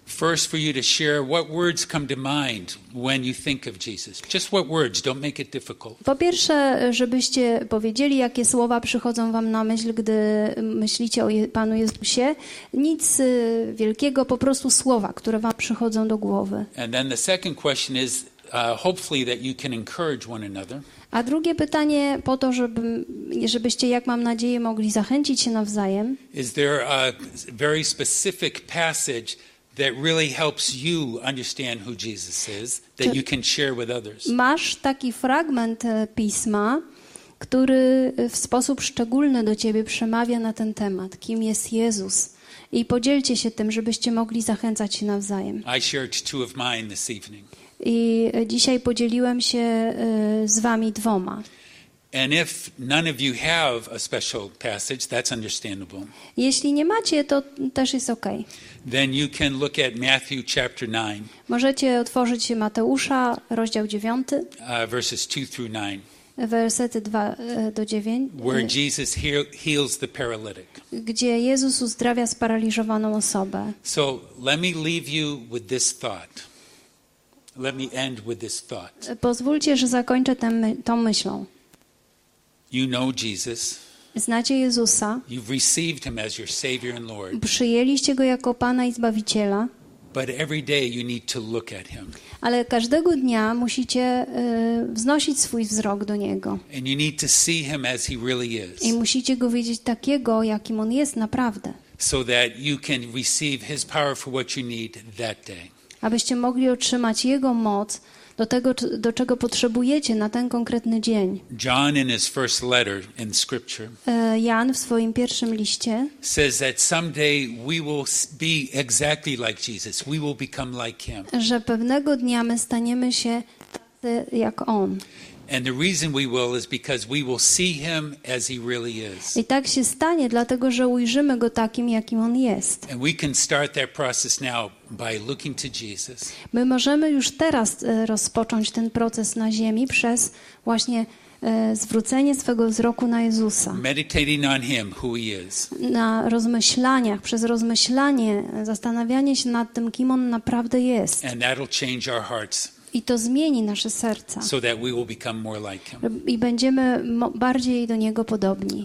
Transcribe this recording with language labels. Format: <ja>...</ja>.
<en>First for you to share what words come to mind when you think of Jesus. Just what words, don't make it difficult.</en> <pl>Po pierwsze, żebyście powiedzieli, jakie słowa przychodzą wam na myśl, gdy myślicie o Panu Jezusie. Nic wielkiego, po prostu słowa, które wam przychodzą do głowy.</pl> <en>And then the second question is hopefully that you can encourage one another.</en> <pl>A drugie pytanie po to, żebyście, jak mam nadzieję, mogli zachęcić się nawzajem.</pl> <en>Is there a very specific passage that really helps you understand who Jesus is, that you can share with others.</en> <pl>Masz taki fragment pisma, który w sposób szczególny do ciebie przemawia na ten temat, kim jest Jezus. I podzielcie się tym, żebyście mogli zachęcać się nawzajem.</pl> <en>I shared two of mine this evening.</en> <pl>I dzisiaj podzieliłem się z wami dwoma.</pl> <en>And if none of you have a special passage, that's understandable.</en> <pl>Jeśli nie macie, to też jest okej.</pl> <en>Then you can look at Matthew chapter 9.</en> <pl>Możecie otworzyć się Mateusza, rozdział 9.</pl> <en>Verses 2 through 9.</en> <pl>Wersety 2 do 9.</pl> <en>Where Jesus heals the paralytic.</en> <pl>Gdzie Jezus uzdrawia sparaliżowaną osobę.</pl> <en>So let me leave you with this thought. Let me end with this thought.</en> <pl>Pozwólcie, że zakończę tą myślą.</pl> <en>You know Jesus.</en> <pl>Znacie Jezusa.</pl> <en>You've received him as your Savior and Lord.</en> <pl>Przyjęliście go jako Pana i Zbawiciela.</pl> <en>But every day you need to look at him.</en> <pl>Ale każdego dnia musicie wznosić swój wzrok do niego.</pl> <en>And you need to see him as he really is.</en> <pl>I musicie go widzieć takiego, jakim on jest naprawdę.</pl> <en>So that you can receive his power for what you need that day.</en> <pl>Abyście mogli otrzymać jego moc do tego, do czego potrzebujecie na ten konkretny dzień.</pl> <en>John in his first letter in scripture.</en> <pl>Jan w swoim pierwszym liście</pl> <en>says that someday we will be exactly like Jesus. We will become like him.</en> <pl>Że pewnego dnia my staniemy się jak on.</pl> <en>And the reason we will is because we will see him as he really is.</en> <pl>I tak się stanie, dlatego że ujrzymy go takim, jakim on jest.</pl> <en>And we can start that process now by looking to Jesus.</en> <pl>My możemy już teraz rozpocząć ten proces na ziemi przez właśnie zwrócenie swego wzroku na Jezusa.</pl> <en>Meditating on him, who he is.</en> <pl>Na rozmyślaniach, przez rozmyślanie, zastanawianie się nad tym, kim on naprawdę jest.</pl> <en>And that'll change our hearts.</en> <pl>I to zmieni nasze serca.</pl> <en>So that we will become more like him.</en> <pl>I będziemy bardziej do Niego podobni.</pl>